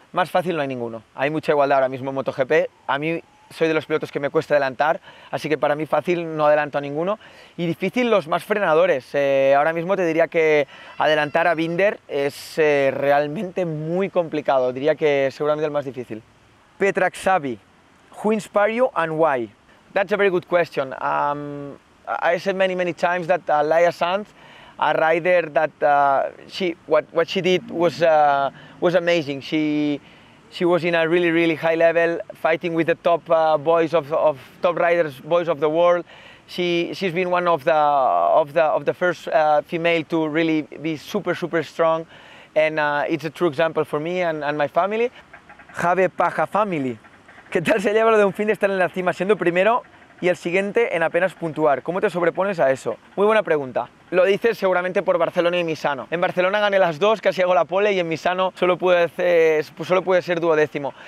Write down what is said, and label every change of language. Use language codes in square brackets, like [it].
[es] Más fácil no hay ninguno, hay mucha igualdad ahora mismo en MotoGP. A mí soy de los pilotos que me cuesta adelantar, así que para mí fácil no adelanto a ninguno. Y difícil los más frenadores. Ahora mismo te diría que adelantar a Binder es realmente muy complicado, diría que seguramente el más difícil. [en] Petrak Savi, who inspired you and why? That's a very good question. I said many, many times that Laia Sanz, a rider that what she did was amazing. She was in a really, really high level, fighting with the top top riders, boys of the world. She's been one of the first female to really be super, super strong, and it's a true example for me and my family. [es] Javier Paja family, ¿qué tal se lleva lo de un fin de estar en la cima siendo primero y el siguiente en apenas puntuar? ¿Cómo te sobrepones a eso? Muy buena pregunta. Lo dices seguramente por Barcelona y Misano. En Barcelona gané las dos, casi hago la pole, y en Misano solo pude ser duodécimo.